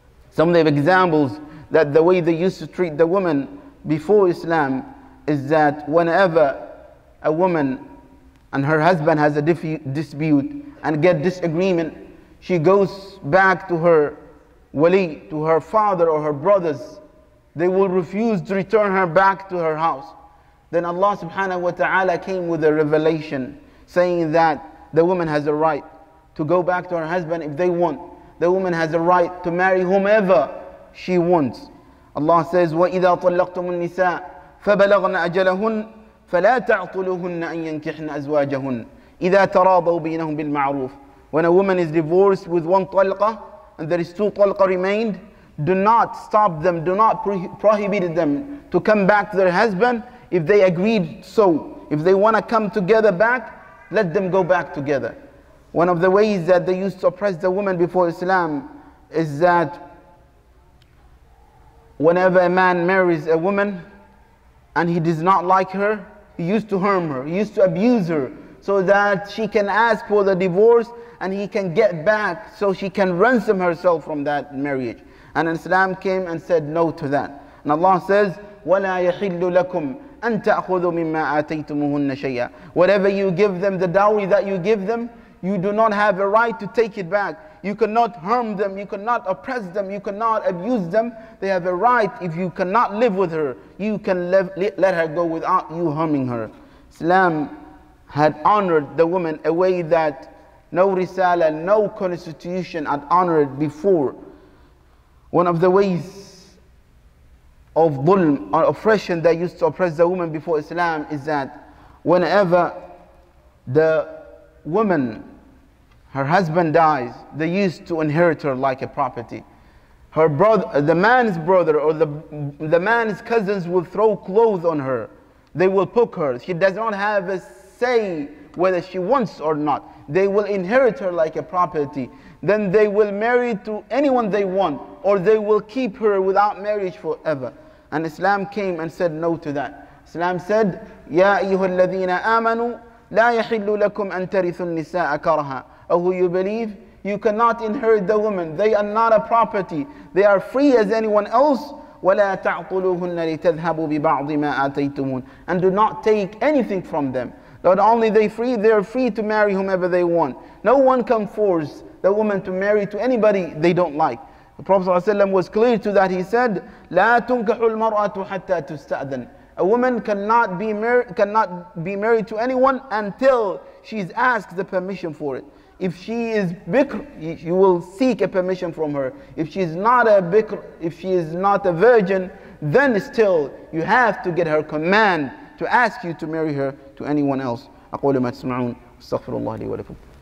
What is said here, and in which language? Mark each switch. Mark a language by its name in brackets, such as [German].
[English] Some of the examples that the way they used to treat the woman before Islam is that whenever a woman and her husband has a dispute and get disagreement, she goes back to her wali, to her father or her brothers. They will refuse to return her back to her house. Then Allah subhanahu wa ta'ala came with a revelation saying that the woman has a right to go back to her husband if they want. The woman has a right to marry whomever she wants. Allah says, [Arabic] وَإِذَا طَلَّقْتُمُ النِّسَاءَ فَبَلَغْنَ أَجَلَهُنَّ فَلَا تَعْطُلُهُنَّ أَن يَنْكِحْنَ أَزْوَاجَهُنَّ إِذَا تَرَاضَوْا بَيْنَهُمْ بِالْمَعْرُوفِ. [English] When a woman is divorced with one talqa and there is two talqa remained, do not stop them, do not prohibit them to come back to their husband if they agreed so. If they want to come together back, let them go back together. One of the ways that they used to oppress the woman before Islam is that whenever a man marries a woman and he does not like her, he used to harm her, he used to abuse her so that she can ask for the divorce and he can get back so she can ransom herself from that marriage. And Islam came and said no to that. And Allah says, [Arabic] وَلَا يَحِلُّ لَكُمْ أَن تَأْخُذُوا مِمَّا آتَيْتُمُهُنَّ شَيْئًا. [English] Whatever you give them, the dowry that you give them, you do not have a right to take it back. You cannot harm them, you cannot oppress them, you cannot abuse them. They have a right, if you cannot live with her, you can let her go without you harming her. Islam had honored the woman a way that no risala, no constitution had honored before. One of the ways of dhulm or oppression that used to oppress the woman before Islam is that whenever the woman, her husband dies, they used to inherit her like a property. Her brother, the man's brother or the man's cousins will throw clothes on her. They will poke her. She does not have a say whether she wants or not. They will inherit her like a property. Then they will marry to anyone they want, or they will keep her without marriage forever. And Islam came and said no to that. Islam said, [Arabic] يَا أَيُّهُ الَّذِينَ آمَنُوا لَا يَحِلُّ لَكُمْ أَن تَرِثُوا النِّسَاءَ كَرْهًا. [English] Oh, who you believe, you cannot inherit the woman. They are not a property. They are free as anyone else. [Arabic] وَلَا تَعْطُلُوهُنَّ لِتَذْهَبُوا بِبَعْضِ مَا آتَيْتُمُونَ. [English] And do not take anything from them. Not only they are free to marry whomever they want. No one can force the woman to marry to anybody they don't like. The Prophet ﷺ was clear to that. He said, [Arabic] "La tunkahu al-mar'atu hatta tusta'dhan." [English] A woman cannot be married to anyone until she's asked the permission for it. If she is bikr, you will seek a permission from her. If she's not a bikr, if she is not a virgin, then still you have to get her command to ask you to marry her to anyone else. [Arabic] أقول ما تسمعون استغفر الله لي ولكم.